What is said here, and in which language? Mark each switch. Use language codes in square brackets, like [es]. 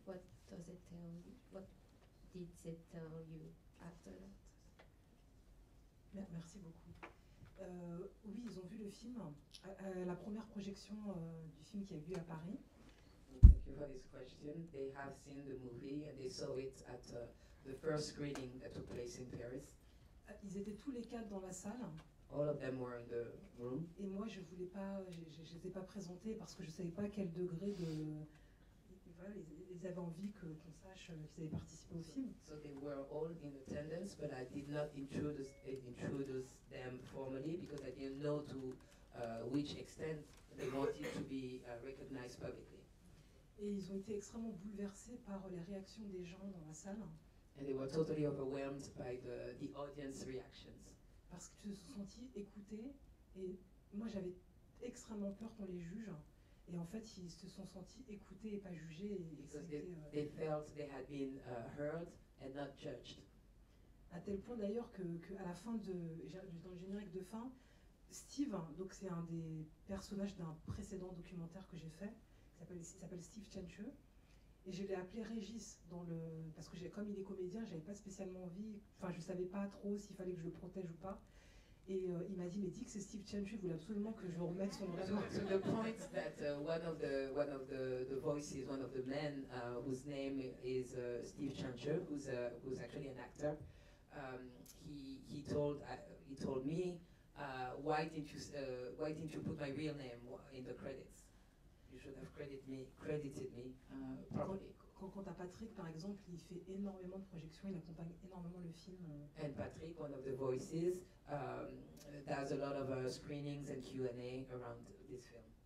[en] What does it tell you? What did they tell you after that? [fr] Merci beaucoup. Oui, ils ont vu le film, la première projection du film qui a eu lieu à Paris. [en] Thank you for this question. They have seen the movie and they saw it at the first screening that took place in Paris. [fr] Ils étaient tous les quatre dans la salle. [en] All of them were in the room. [fr] Et moi, je voulais pas, je les ai pas présentés parce que je savais pas quel degré de ils avaient envie qu'on sache qu'ils avaient participé au film. [en] So they were all in attendance, but I did not introduce them formally because I didn't know to which extent they wanted to be recognized publicly. [fr] Et ils ont été extrêmement bouleversés par les réactions des gens dans la salle. [en] And they were totally overwhelmed by the audience reactions. [fr] Parce qu'ils se sont sentis écoutés, et moi j'avais extrêmement peur qu'on les juge. Et en fait, ils se sont sentis écoutés et pas jugés. [en] They felt they had been heard and not judged. [fr] À tel point d'ailleurs que à la fin de dans le générique de fin, Steve, donc c'est un des personnages d'un précédent documentaire que j'ai fait, qui s'appelle Steve Chenche, et je l'ai appelé Régis dans le parce que comme il est comédien, j'avais pas spécialement envie, enfin je savais pas trop s'il fallait que je le protège ou pas. Et il m'a dit, mais dis que c'est Steve Chenche, il voulait absolument que je remette son nom. [en] So the point that one of the voices, one of the men whose name is Steve Chenche, who's actually an actor, he told me why didn't you put my real name in the credits? You should have credited me properly. [fr] Quant à Patrick, par exemple, il fait énormément de projections, il accompagne énormément le film. [en] And Patrick, one of the voices, does a lot of screenings and Q&A around this film.